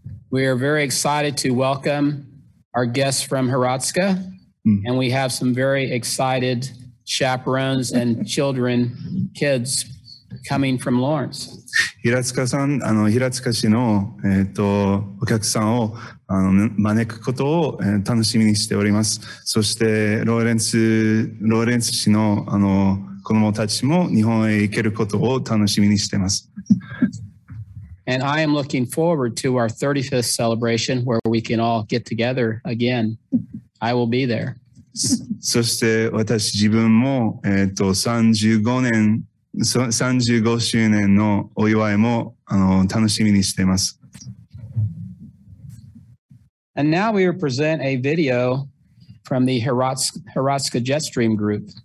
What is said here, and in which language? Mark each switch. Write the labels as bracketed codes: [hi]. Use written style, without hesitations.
[en] We are very excited to welcome our guests from Hrvatska, and we have some very excited chaperones and children, kids coming from Lawrence. [ja] 平塚市の、お客さんを招くことを、楽しみにしております。そしてローレンツ市の、子どもたちも日本へ行けることを楽しみにしています。 [en] And I am looking forward to our 35th celebration where we can all get together again. I will be there. [ja] そして私自分も、35周年のお祝いも楽しみにしています。 [en] And now we will present a video from the Hrvatska Jetstream Group.